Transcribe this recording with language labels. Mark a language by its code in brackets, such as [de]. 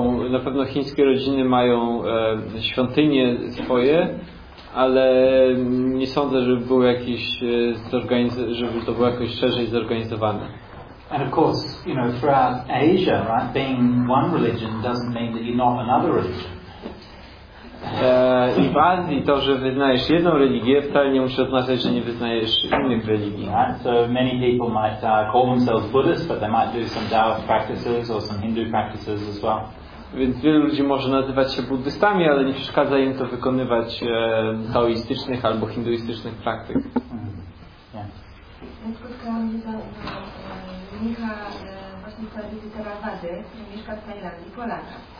[pl] Na pewno chińskie rodziny mają świątynie swoje, ale nie sądzę, żeby był jakiś żeby to było jakoś szerzej zorganizowane. [en] And of course, you know, throughout Asia, right, being one religion doesn't mean that you're not another religion. [pl] I w Azji to, że wyznajesz jedną religię, wcale nie musi oznaczać, że nie wyznajesz innych religii. [en] Right? So many people might call themselves Buddhists, but they might do some Taoist practices or some Hindu practices as well. [pl] Więc wielu ludzi może nazywać się buddystami, ale nie przeszkadza im to wykonywać taoistycznych albo hinduistycznych praktyk. Ja spotkałam mnie za mnicha właśnie z tradycji Theravady, który mieszka w Tajlandii, Polaka.